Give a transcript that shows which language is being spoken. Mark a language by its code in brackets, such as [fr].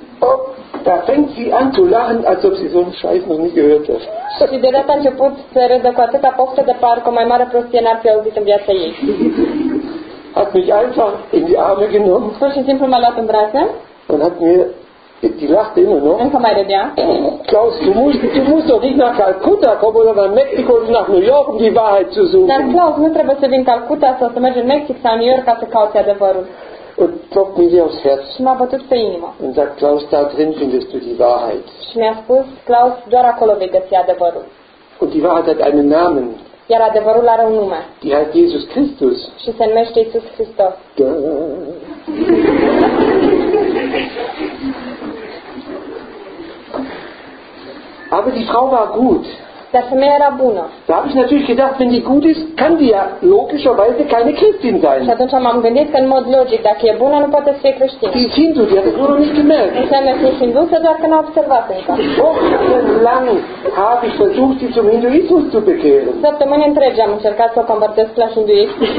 [de] Oh, da fängt sie an zu lachen, als ob sie so einen Scheiß noch nie gehört hat. [ro] Și de data a început să râdă cu atâta poftă de parcă mai mare prostie n-ar fi auzit în viața ei. [de] Hat mich einfach in die Arme genommen. [ro] Pur și simplu m-a luat în brațe. [de] Und hat mir, die lachte immer noch. [ro] Încă mai râdea. [de] Klaus, du musst doch nicht nach Calcutta kommen oder nach Mexiko oder nach New York, um die Wahrheit zu suchen. [ro] Dar Klaus, nu trebuie să vin Calcutta sau să mergi în Mexic sau New York ca să cauți adevărul. [de] Und klopft mir hier aufs Herz. [ro] Și m-a bătut pe inimă. [de] Und sagt, Klaus, da drin findest du die Wahrheit. [ro] Și mi-a spus, Klaus, doar acolo vei găsi adevărul. [de] Und die Wahrheit hat einen Namen. [ro] Iar adevărul are un nume. [de] Die heißt Jesus Christus. [ro] Și se numește Iisus Hristos. [de] Aber die Frau war gut. [ro] Dar femeia era bună. [de] Da habe ich natürlich gedacht, wenn die gut ist, kann die ja logischerweise keine Christin sein. [ro] Și atunci m-am gândit că în mod logic, dacă e bună, nu poate să fie creștină. [de] Die Hindu, die hat es nur noch nicht gemerkt. [ro] Înseamnă că e hindusă, doar că n-a observat încă. [de] Wochenlang habe ich versucht, sie zum Hinduismus zu bekehren. [ro] Săptămâni întregi am încercat să o convertesc la hinduism.